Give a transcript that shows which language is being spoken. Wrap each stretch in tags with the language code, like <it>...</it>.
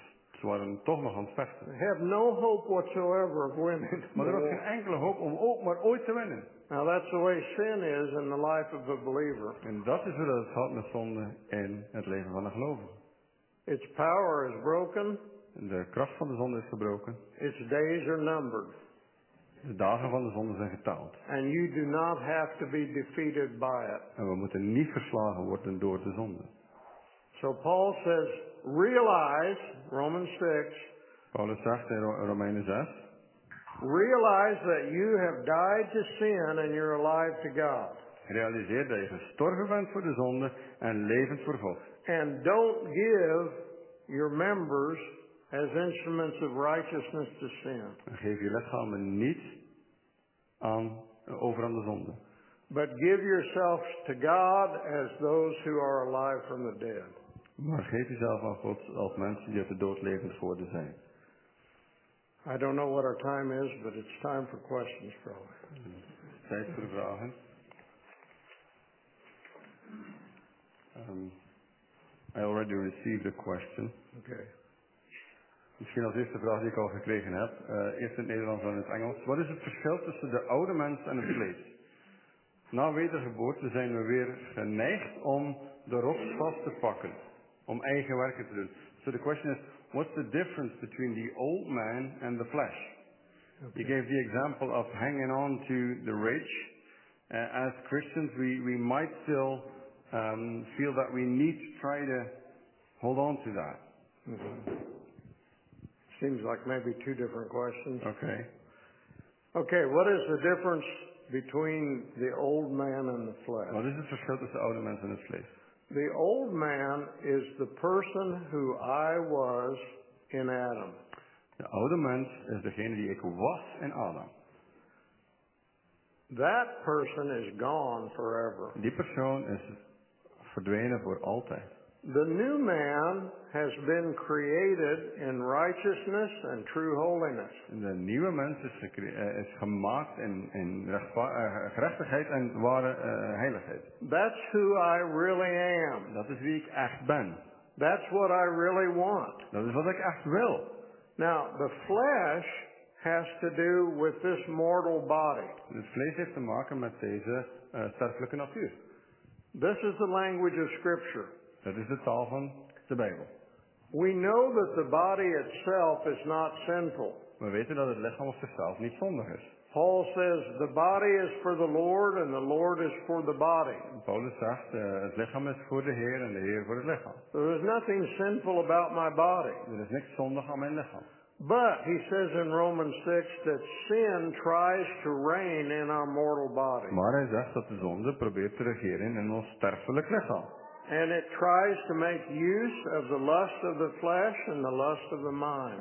<nl>Ze waren toch nog aan het vechten.</nl> <en>They have no hope whatsoever of winning.</en> <nl>Maar er was geen enkele hoop om ook maar ooit te winnen.</nl> <en>Now that's the way sin is in the life of a believer.</en> <nl>En dat is hoe het gaat met zonde in het leven van een gelovige.</nl> <en>Its power is broken.</en> <nl>En de kracht van de zonde is gebroken.</nl> <en>Its days are numbered.</en> <nl>De dagen van de zonde zijn geteld.</nl> <en>And you do not have to be defeated by it.</en> <nl>En we moeten niet verslagen worden door de zonde.</nl> <en>So Paul says, realize, Romans 6.</en> <nl>Paulus zegt in Romeinen 6.</nl> <en>Realize that you have died to sin and you're alive to God.</en> <nl>Realiseer dat je gestorven bent voor de zonde en levend voor God.</nl> <en>And don't give your members as instruments of righteousness to sin.</en> <nl>En geef je lichamen niet over aan de zonde.</nl> <en>But give yourselves to God as those who are alive from the dead.</en> <nl>Maar geef jezelf aan God als mensen die uit de dood levend geworden zijn.</nl> <en>I don't know what our time is, but it's time for questions, probably.</en> <nl>Tijd voor vragen.</nl> <en>I already received a question. Okay.</en> <nl>Misschien als eerste vraag die ik al gekregen heb. Eerst in het Nederlands en in het Engels. Wat is het verschil tussen de oude mens en het vlees? Na wedergeboorte zijn we weer geneigd om de rots vast te pakken. Om eigen werken te doen.</nl> <en>So the question is, what's the difference between the old man and the flesh? Okay. You gave the example of hanging on to the rich. As Christians, we might still feel that we need to try to hold on to that. Mm-hmm. Seems like maybe two different questions. Okay. Okay, what is the difference between the old man and the flesh? Well, this is for sure the old man and the flesh. The old man is the person who I was in Adam.</en> <nl>De oude mens is degene die ik was in Adam.</nl> <en>That person is gone forever.</en> <nl>Die persoon is verdwenen voor altijd.</nl> <en>The new man has been created in righteousness and true holiness.</en> <nl>De nieuwe mens is gemaakt in gerechtigheid en ware heiligheid.</nl> <en>That's who I really am.</en> <nl>Dat is wie ik echt ben.</nl> <en>That's what I really want.</en> <nl>Dat is wat ik echt wil.</nl> <en>Now, the flesh has to do with this mortal body.</en> <nl>Het vlees heeft te maken met deze sterfelijke natuur.</nl> <en>This is the language of Scripture.</en> <nl>Dat is de taal van de Bijbel.</nl> <en>We know that the body itself is not sinful.</en> <nl>We weten dat het lichaam op zichzelf niet zondig is.</nl> <en>Paul says the body is for the Lord and the Lord is for the body.</en> <nl>Paulus zegt het lichaam is voor de Heer en de Heer voor het lichaam.</nl> <en>There is nothing sinful about my body.</en> <nl>Er is niks zondig aan mijn lichaam.</nl> <en>But he says in Romans 6 that sin tries to reign in our mortal body.</en> <nl>Maar hij zegt dat de zonde probeert te regeren in ons sterfelijk lichaam.</nl> <en>And it tries to make use of the lust of the flesh and the lust of the mind.</en>